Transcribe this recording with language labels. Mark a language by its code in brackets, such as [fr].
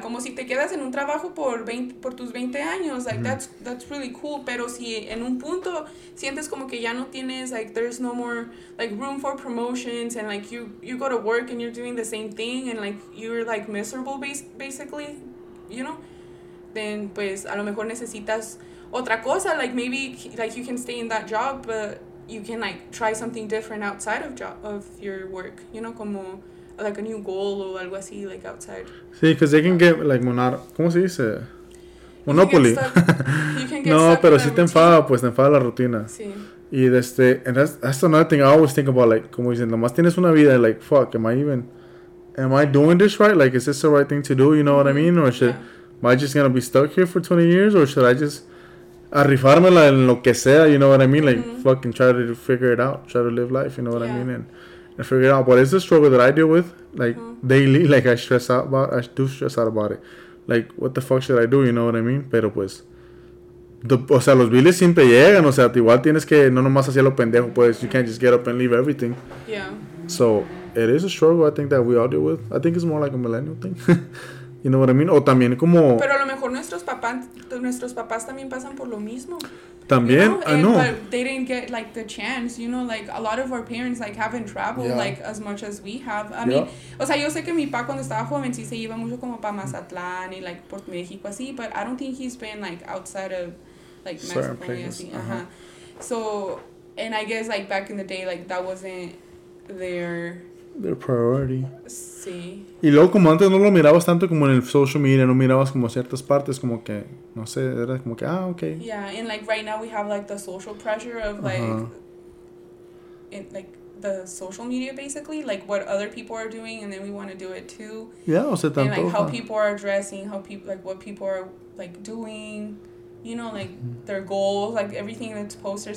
[es] Como si te quedas en un trabajo por tus 20 años, like, mm-hmm. [en] that's really cool, [es] pero si en un punto sientes como que ya no [en] tienes, like, there's no more, like, room for promotions and, like, you go to work and you're doing the same thing and, like, you're, like, miserable, basically, you know? Then, [es] pues, a lo mejor necesitas otra cosa. [en] Like, maybe, like, you can stay in that job, but you can, like, try something different outside of your work. You know, como, like, a new goal or [es] algo así, [en] like, outside. Sí, because they can get, like, [es] ¿cómo se dice? [en] Monopoly. You can get stuck [es] no, pero si te enfada, pues, te enfada la rutina. Sí. [en] Y, and that's another thing I always think about, like, [es] como dicen, nomás tienes una vida, [en] like, fuck, am I doing this right? Like, is this the right thing to do? You know what I mean? Or should... Yeah. Am I just going to be stuck here for 20 years? Or should I just... [es] Arrifármela en lo que sea, [en] you know what I mean? Like, fucking try to figure it out. Try to live life, you know what I mean? And figure it out. But it's a struggle that I deal with. Like, daily, like, I do stress out about it. Like, what the fuck should I do, you know what I mean? [es] Pero pues... o sea, los billes siempre llegan. O sea, igual tienes que... No nomás hacia lo pendejo, pues. [en] You can't just get up and leave everything. Yeah. So, it is a struggle, I think, that we all deal with. I think it's more like a millennial thing. You know what I mean? [es] O también como... Pero a lo mejor nuestros papás también pasan por lo mismo. También, [en] you know? I know. But they didn't get, like, the chance, you know? Like, a lot of our parents, like, haven't traveled, like, as much as we have. [es] I mean, o sea, yo sé que mi pa cuando estaba joven sí se iba mucho como para Mazatlán y, like, por México, así. [en] But I don't think he's been, like, outside of, like, Mexico. Certain places. So, and I guess, like, back in the day, like, that wasn't their... Their priority. [es] Sí. Y luego, como antes no lo mirabas tanto como en el social media, no mirabas como ciertas partes, como que, no sé, era como que, ah, okay. [en] Yeah, and like right now we have like the social pressure of like, in like the social media basically, like what other people are doing, and then we want to do it too. [es] Yeah, o sea, tanto. [en] And like how people are dressing, how people, like what people are like doing, you know, like their goals, like everything that's posted.